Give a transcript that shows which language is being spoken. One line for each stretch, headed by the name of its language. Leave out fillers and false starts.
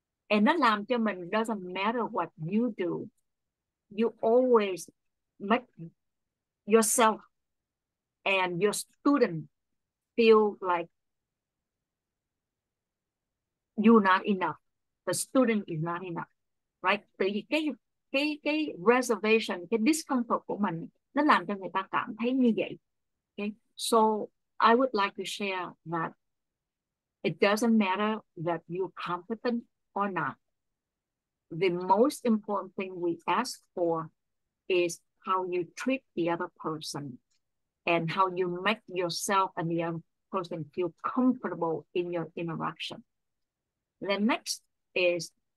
English: And
Vietnamese: nó làm cho mình,
English: doesn't matter what you do, you always make yourself and your student feel like you're not enough. The student is not enough, right?
Vietnamese: Thì cái reservation, cái discomfort của mình, nó làm cho người ta cảm thấy như vậy.
English: Okay, so I would like to share that it doesn't matter that you're competent or not. The most important thing we ask for is how you treat the other person and how you make yourself and the other person feel comfortable in your interaction. The next is